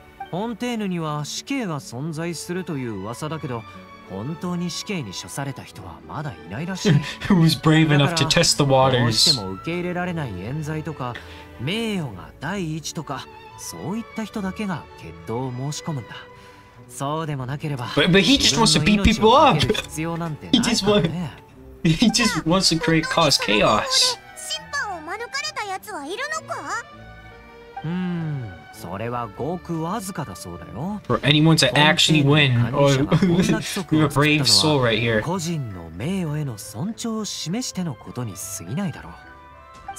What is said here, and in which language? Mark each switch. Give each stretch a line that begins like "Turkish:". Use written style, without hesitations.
Japanese: フォンテーヌには死刑が存在するという噂だけど、本当に死刑に処された人はまだいないらしい。
English: Who's brave enough to test the waters?
Japanese: どうしても受け入れられない冤罪とか、名誉が第一とか、そういった人だけが決闘を申し込むんだ。そうでもなければ、
English: But he just wants to beat people up. He just wants to create cause chaos.
Japanese: 審判を免れた奴はいるのか？それはごくわずかだそうだよ。
English: For anyone to actually win, you're a brave soul right here.
Japanese: 個人の名誉への尊重を示してのことに過ぎないだろう。